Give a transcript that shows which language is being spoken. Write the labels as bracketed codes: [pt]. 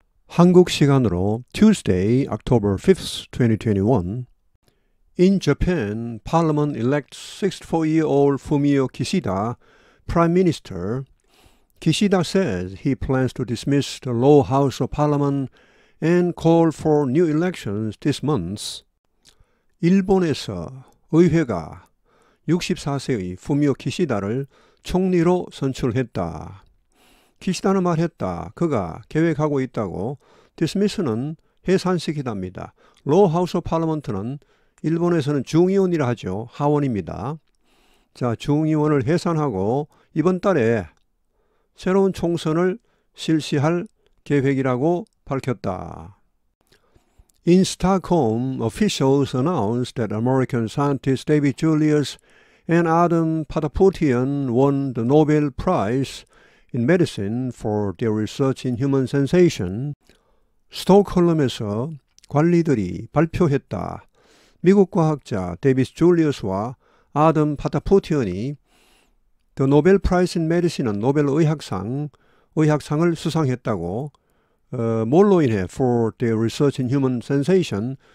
[ko] 한국 시간으로 [en] Tuesday, October 5th, 2021. In Japan, Parliament elects 64-year-old Fumio Kishida, Prime Minister. Kishida says he plans to dismiss the lower house of Parliament and call for new elections this month. [ko] 일본에서 의회가 64세의 후미오 키시다를 총리로 선출했다. 키시다는 말했다. 그가 계획하고 있다고. Dismiss는 해산시키답니다. Low House of Parliament는 일본에서는 중의원이라 하죠. 하원입니다. 자, 중의원을 해산하고 이번 달에 새로운 총선을 실시할 계획이라고 밝혔다. [en] In Stockholm, officials announced that American scientist David Julius and Artem Patiputian won the Nobel Prize in Medicine for their research in human sensation. [ko] 스톡홀름에서 관리들이 발표했다. 미국 과학자 데이비드 줄리어스와 아담 파타푸티언이 [en] The Nobel Prize in Medicine은 [ko] 노벨 의학상을 수상했다고 뭘로 인해 [en] for their research in human sensation.